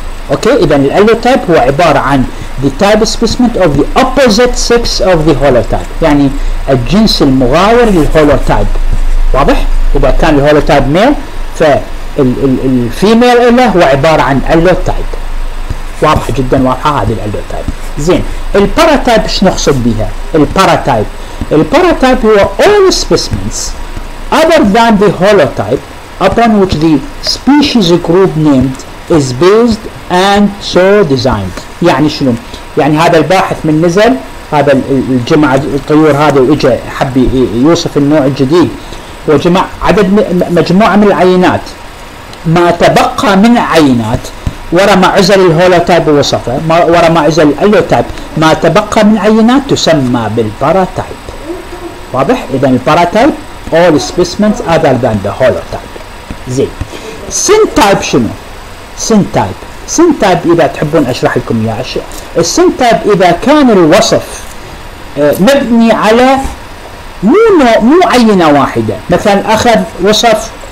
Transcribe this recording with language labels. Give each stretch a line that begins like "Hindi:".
Arabic: أوكي، إذا الألوتايب هو عبارة عن
English: the type specimen of the opposite sex of the holotype،
Arabic: يعني الجنس المغاير للهولوتايب. واضح؟ إذا كان الهولوتايب ميل، فالفيميل إله هو عبارة عن ألوتايب. واضح جدا، واضحة هذه الألوتايب. زين، الباراتايب ايش نقصد بها؟ الباراتايب، الباراتايب هو
English: all specimens other than the holotype upon which the species group named is based and so designed.
Arabic: يعني شنو؟ يعني هذا الباحث من نزل هذا الجمع الطيور هذا واجا حبي يوصف النوع الجديد وجمع عدد مجموعة من العينات، ما تبقى من عينات ورا ما عزل الهولوتايب ووصفه، ورا ما عزل الألوتايب، ما تبقى من عينات تسمى بالباراتايب. واضح؟ إذن الباراتايب
English: all specimens other than the holotype.
Arabic: زين، سينتايب شنو؟ سينتايب، سينتايب إذا تحبون أشرح لكم يا عشاء، السينتايب إذا كان الوصف مبني على مو عينة واحدة، مثلا أخذ وصف